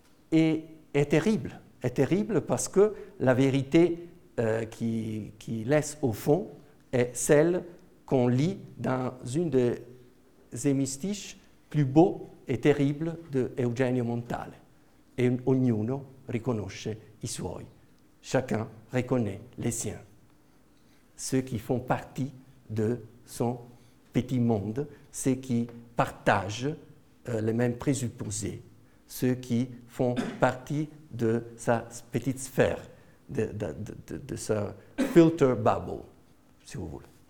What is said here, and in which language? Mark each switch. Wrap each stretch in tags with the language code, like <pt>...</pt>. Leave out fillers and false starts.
<fr>Et est terrible parce que la vérité qui laisse au fond est celle qu'on lit dans une des hémistiches plus beaux et terribles de Eugenio Montale.</fr> <it>Et ognuno riconosce i suoi.</it> <fr>Chacun reconnaît les siens, ceux qui font partie de son petit monde, ceux qui partagent les mêmes présupposés, ceux qui font partie de sa petite sphère, de sa filter bubble, si vous voulez.</fr>